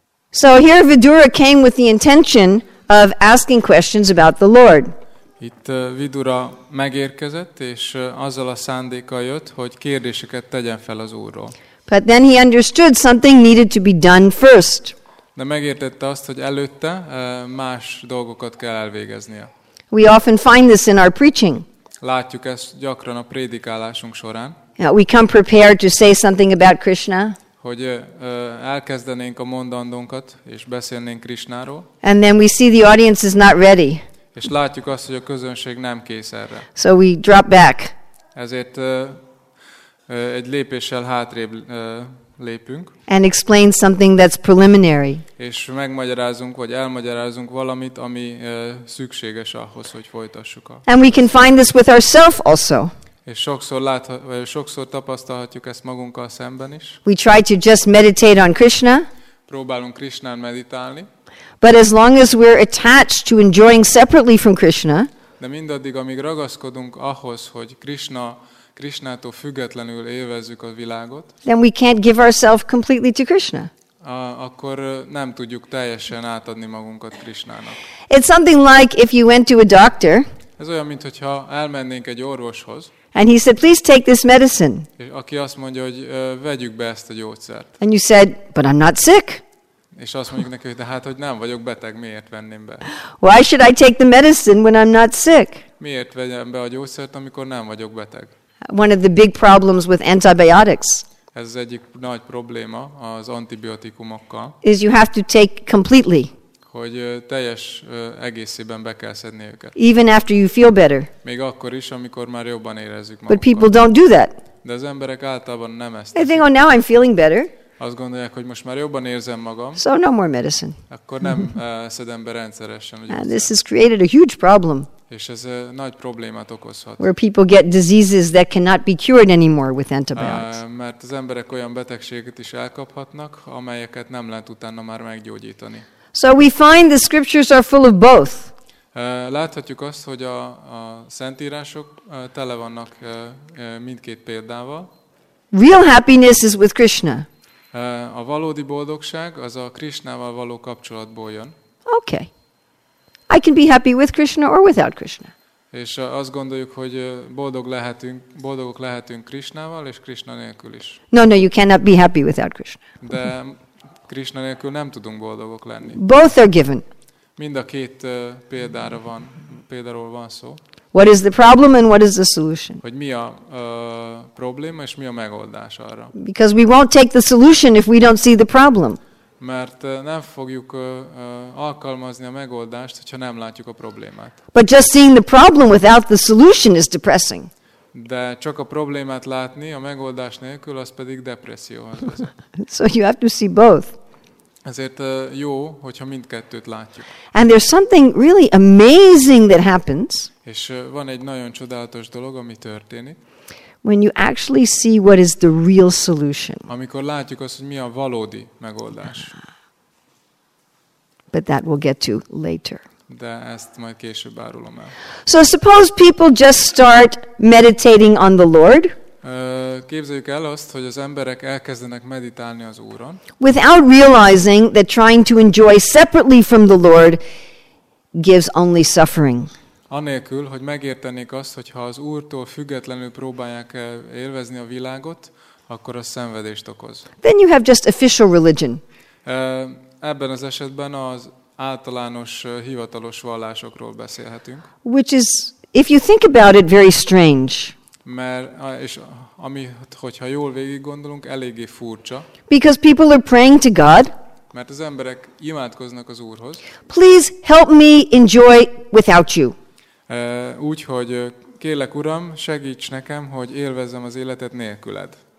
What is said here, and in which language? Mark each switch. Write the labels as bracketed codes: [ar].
[en] So here Vidura came with the intention of asking questions about the Lord. [hu] Itt Vidura megérkezett, és azzal a szándékkal jött, hogy kérdéseket tegyen fel az Úrról. [en] But then he understood something needed to be done first. [hu] De megértette azt, hogy előtte más dolgokat kell elvégeznie. [en] We often find this in our preaching. [hu] Látjuk ezt gyakran a prédikálásunk során. [en] Now we come prepared to say something about Krishna. [hu] Hogy elkezdenénk a mondandónkat és beszélnénk Krishnáról. [en] And then we see the audience is not ready. [hu] És látjuk azt, hogy a közönség nem kész erre. [en] So we drop back. [hu] Ezért egy lépéssel hátrébb lépünk. [en] And explain something that's preliminary. [hu] És megmagyarázunk vagy elmagyarázunk valamit, ami szükséges ahhoz, hogy folytassuk a. [en] And we can find this with ourselves also. [hu] És sokszor sokszor tapasztalhatjuk ezt magunkkal szemben is. [en] We try to just meditate on Krishna. [hu] Próbálunk Krishnán meditálni. [en] But as long as we're attached to enjoying separately from Krishna. [hu] De mindaddig, amíg ragaszkodunk ahhoz, hogy Krishnától függetlenül élvezzük a világot. [en] Then we can't give ourselves completely to Krishna. [hu] Akkor nem tudjuk teljesen átadni magunkat Krishnának. [en] It's something like if you went to a doctor. [hu] Ez olyan, mint hogyha elmennénk egy orvoshoz. [en] And he said, please take this medicine. [hu] És aki azt mondja, hogy vegyük be ezt a gyógyszert. [en] And you said, but I'm not sick. [hu] És azt mondjuk neki, hogy de hát, hogy nem vagyok beteg, miért venném be? [en] Why should I take the medicine when I'm not sick? [hu] Miért vegyem be a gyógyszert, amikor nem vagyok beteg? [en] One of the big problems with antibiotics. [hu] Ez az egyik nagy probléma az antibiotikumokkal. [en] Is you have to take completely. [hu] Hogy teljes egészében be kell szedni őket. [en] Even after you feel better. [hu] Még akkor is, amikor már jobban érezzük magunkat. [en] But people don't do that. [hu] De az emberek általában nem ezt. [en] They think, oh, now I'm feeling better. [hu] Azt gondolják, hogy most már jobban érzem magam. [en] So no more medicine. [hu] Akkor nem szedem be rendszeresen. [en] And this has created a huge problem. [hu] És ez nagy problémát okozhat. [en] Where people get diseases that cannot be cured anymore with antibiotics. [hu] Mert az emberek olyan betegségeket is elkaphatnak, amelyeket nem lehet utána már meggyógyítani. [en] So we find the scriptures are full of both. [hu] Láthatjuk azt, hogy a szentírások tele vannak mindkét példával. [en] Real happiness is with Krishna. [hu] A valódi boldogság az a Krishnával való kapcsolatból jön. [en] Okay. I can be happy with Krishna or without Krishna. [hu] És azt gondoljuk, hogy boldogok lehetünk Krishnával és Krishna nélkül is. [en] No, you cannot be happy without Krishna. [hu] De Krishna nélkül nem tudunk boldogok lenni. [en] Both are given. [hu] Mind a két példáról van szó. [en] What is the problem and what is the solution? [hu] Hogy mi a probléma és mi a megoldás arra? [en] Because we won't take the solution if we don't see the problem. [hu] Mert nem fogjuk alkalmazni a megoldást, hogyha nem látjuk a problémát. [en] But just seeing the problem without the solution is depressing. [hu] De csak a problémát látni a megoldás nélkül, az pedig depresszió. [en] So you have to see both. [hu] Ezért jó, hogyha mindkettőt látjuk. [en] And there's something really amazing that happens. [hu] És van egy nagyon csodálatos dolog, ami történik. [en] When you actually see what is the real solution. [hu] Amikor látjuk azt, hogy mi a valódi megoldás. [en] But that we'll get to later. [hu] De ezt majd később árulom el. [en] So suppose people just start meditating on the Lord. [hu] Képzeljük el azt, hogy az emberek elkezdenek meditálni az Úron. [en] Without realizing that trying to enjoy separately from the Lord gives only suffering. [hu] Anélkül, hogy megértenék azt, hogy ha az Úrtól függetlenül próbálják élvezni a világot, akkor az szenvedést okoz. [en] Then you have just official religion. [hu] Ebben az esetben az általános hivatalos vallásokról beszélhetünk. [en] Which is, if you think about it, very strange. [hu] Mert és ami, hogyha jól végig gondolunk, eléggé furcsa. [en] Because people are praying to God. [hu] Mert az emberek imádkoznak az Úrhoz. [en] Please help me enjoy without you. [hu] Úgy, hogy kérlek Uram, segíts nekem, hogy élvezzem az életet nélküled.